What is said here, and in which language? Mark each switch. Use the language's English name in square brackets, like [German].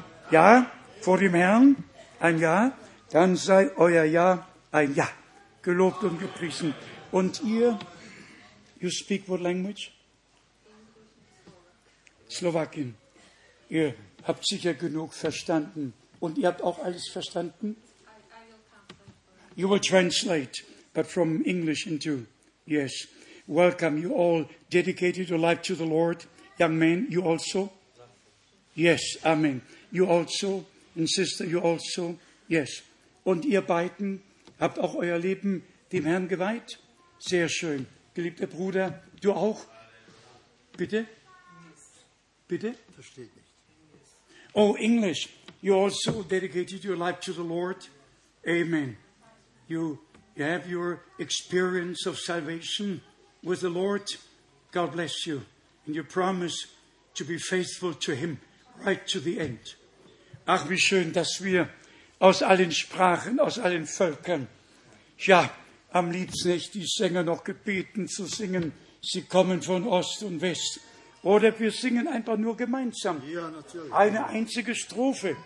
[German] Ja, vor dem Herrn ein Ja, dann sei euer Ja ein Ja, gelobt und gepriesen. Und ihr, [English] you speak what language? [German] Slowakin. Ihr habt sicher genug verstanden. Und ihr habt auch alles verstanden? [English] You will translate, but from English into, yes. Welcome, you all dedicated your life to the Lord. Young man, you also? Yes, amen. You also, and sister, you also, yes. [German] Und ihr beiden habt auch euer Leben dem Herrn geweiht? Sehr schön. Geliebter Bruder, du auch? Bitte? Bitte? Versteht nicht. [English] Oh, English. You also dedicated your life to the Lord? Amen. You have your experience of salvation with the Lord? God bless you. And you promise to be faithful to him right to the end. [German] Ach, wie schön, dass wir aus allen Sprachen, aus allen Völkern, ja, am liebsten hätte die Sänger noch gebeten zu singen. Sie kommen von Ost und West. Oder wir singen einfach nur gemeinsam. Ja, natürlich. Eine einzige Strophe.